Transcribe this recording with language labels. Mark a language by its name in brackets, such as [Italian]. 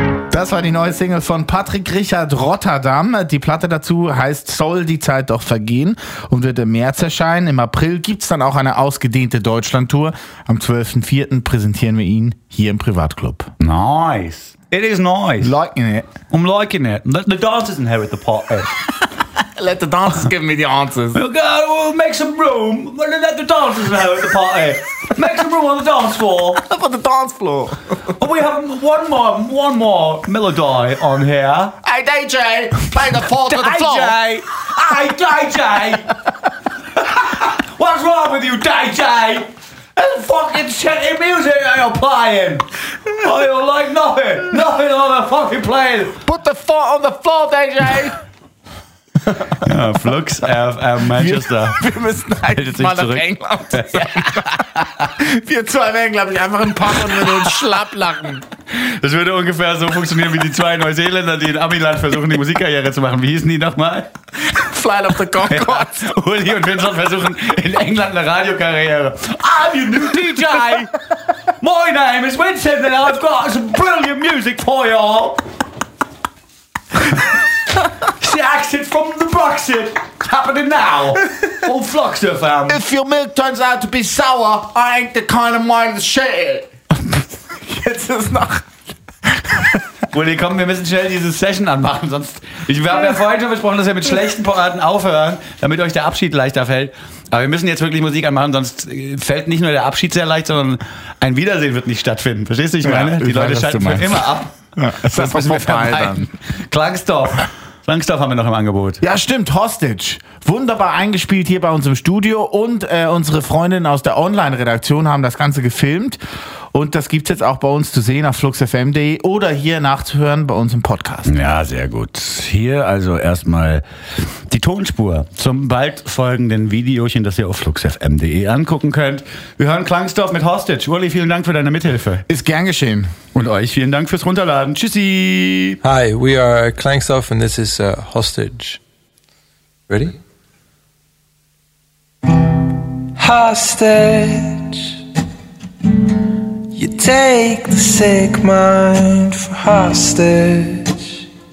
[German] Das war die neue Single von Patrick Richard, Rotterdam. Die Platte dazu heißt Soll die Zeit doch vergehen und wird im März erscheinen. Im April gibt es dann auch eine ausgedehnte Deutschlandtour. Am 12.04. präsentieren wir ihn hier im Privatclub. [English] Nice. It is nice. Liking it. I'm liking it. Let the dancers inherit the party. Let the dancers give me the answers. We'll make some room. Let the dancers inherit the party. Make some room on the dance floor. For the dance floor. And we have one more melody on here. Hey, DJ, play the fourth of the floor. DJ. Hey, DJ. What's wrong with you, DJ? There's fucking shitty music that you're playing. Oh, you're like nothing. Nothing on the fucking playing. Put the fourth on the floor, DJ. [German] Ja, Flux FM Manchester. Wir müssen eigentlich mal nach England. Wir zwei werden, glaube ich, einfach ein Pach und würden uns schlapp lachen. Das würde ungefähr so funktionieren wie die zwei Neuseeländer, die in Amiland versuchen, die Musikkarriere zu machen. Wie hießen die nochmal? Flight of the Conchords. Ja, Uli und Vincent versuchen in England eine Radiokarriere. [English] I'm your new DJ. My name is Vincent and I've got some brilliant music for y'all. The exit from the Brexit happening now. All flux stuff, if your milk turns out to be sour, I ain't the kind of mind to share it. [German] Jetzt ist noch. Willi, komm, wir müssen schnell diese Session anmachen, sonst. Wir haben ja vorhin schon besprochen, dass wir mit schlechten Poraten aufhören, damit euch der Abschied leichter fällt. Aber wir müssen jetzt wirklich Musik anmachen, sonst fällt nicht nur der Abschied sehr leicht, sondern ein Wiedersehen wird nicht stattfinden. Verstehst du, ich meine? Ja, die Leute schalten für immer ab. Ja, das müssen wir vermeiden. Klangsdorf. Klangsdorf haben wir noch im Angebot. Ja, stimmt. Hostage. Wunderbar eingespielt hier bei uns im Studio. Und unsere Freundinnen aus der Online-Redaktion haben das Ganze gefilmt. Und das gibt's jetzt auch bei uns zu sehen auf fluxfm.de oder hier nachzuhören bei uns im Podcast. Ja, sehr gut. Hier also erstmal die Tonspur zum bald folgenden Videochen, das ihr auf fluxfm.de angucken könnt. Wir hören Klangsdorf mit Hostage. Uli, vielen Dank für deine Mithilfe. Ist gern geschehen. Und euch vielen Dank fürs Runterladen. Tschüssi. [English] Hi, we are Klangsdorf and this is Hostage. Ready? Hostage. You take the sick mind for hostage.